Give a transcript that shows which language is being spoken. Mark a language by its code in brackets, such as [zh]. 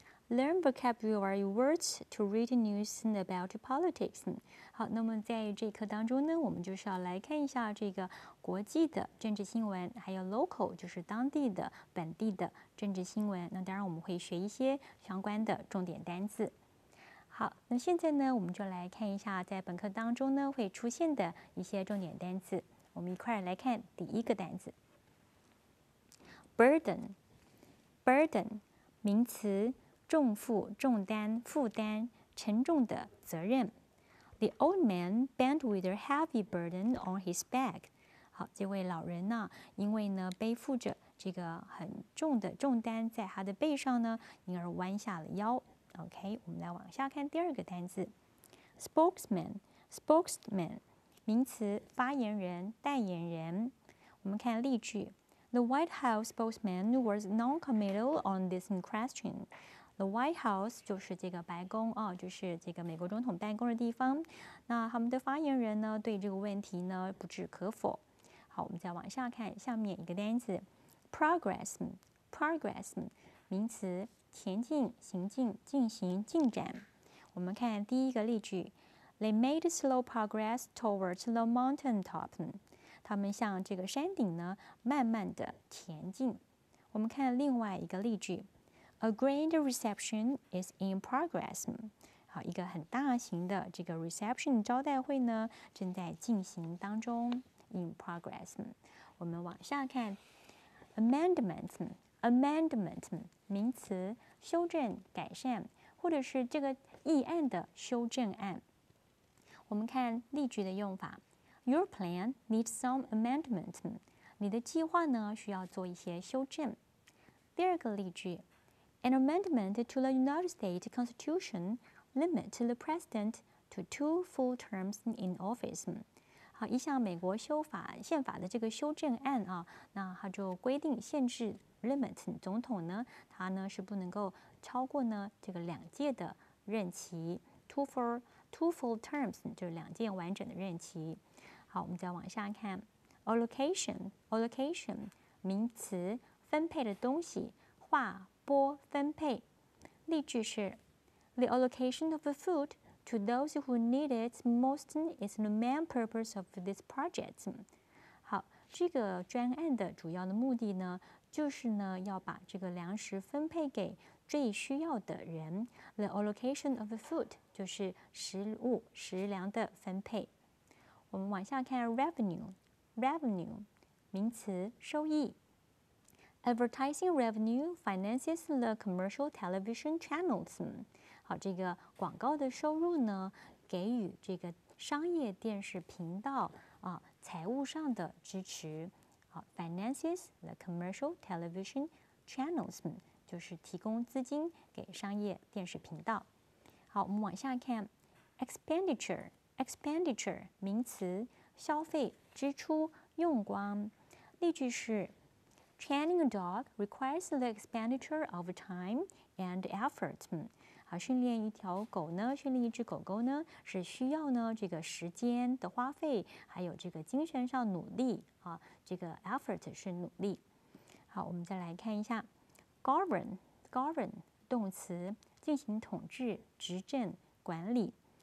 [en] Learn vocabulary words to read news about politics. [zh] 好，那么在这课当中呢，我们就是要来看一下这个国际的政治新闻，还有 local 就是当地的本地的政治新闻。那当然我们会学一些相关的重点单字。好，那现在呢，我们就来看一下在本课当中呢会出现的一些重点单字。我们一块来看第一个单字 ，burden， burden， 名词。重负、重担、负担、沉重的责任。 [en] The old man bent with a heavy burden on his back. [zh] 好，这位老人呢，因为呢背负着这个很重的重担在他的背上呢，因而弯下了腰。 OK， 我们来往下看第二个单字。 Spokesman, spokesman, 名词，发言人、代言人。我们看例句。 [en] The White House spokesman was non-committal on this question. [zh] The White House 就是这个白宫啊，就是这个美国总统办公的地方。那他们的发言人呢，对这个问题呢不置可否。好，我们再往下看下面一个单词 ，progress， progress， 名词，前进、行进、进行、进展。我们看第一个例句 [en] ，They made slow progress towards the mountain top。 [zh] 他们向这个山顶呢慢慢的前进。我们看另外一个例句。 [en] A grand reception is in progress. [zh] 好，一个很大型的这个 reception 招待会呢，正在进行当中 [en] in progress. [zh] 我们往下看 amendment, amendment, 名词，修正、改善，或者是这个议案的修正案。我们看例句的用法 [en] ，Your plan needs some amendment. [zh] 你的计划呢，需要做一些修正。第二个例句。 [en] An amendment to the United States Constitution limits the president to 2 full terms in office. [zh] 好，一项美国修法宪法的这个修正案啊，那它就规定限制 limit 总统呢，他呢是不能够超过呢这个两届的任期 [en] two full terms [zh] 就是两届完整的任期。好，我们再往下看 allocation 名词，分配的东西，划。分配，例句是 [en] ：The allocation of food to those who need it most is the main purpose of this project. [zh] 好，这个专案的主要的目的呢，就是呢要把这个粮食分配给最需要的人。 [en] The allocation of food [zh] 就是食粮的分配。我们往下看 revenue， 名词，收益。 [en] Advertising revenue finances the commercial television channels. [zh] 好，这个广告的收入呢，给予这个商业电视频道啊财务上的支持。好 ， [en] finances the commercial television channels [zh] 就是提供资金给商业电视频道。好，我们往下看 ，expenditure 名词，消费、支出、用光。例句是。 [en] Training a dog requires the expenditure of time and effort. [zh] 好，训练一条狗呢，训练一只狗狗呢，是需要呢这个时间的花费，还有这个精神上努力啊，这个 effort 是努力。好，我们再来看一下 ，govern 动词，进行统治、执政、管理。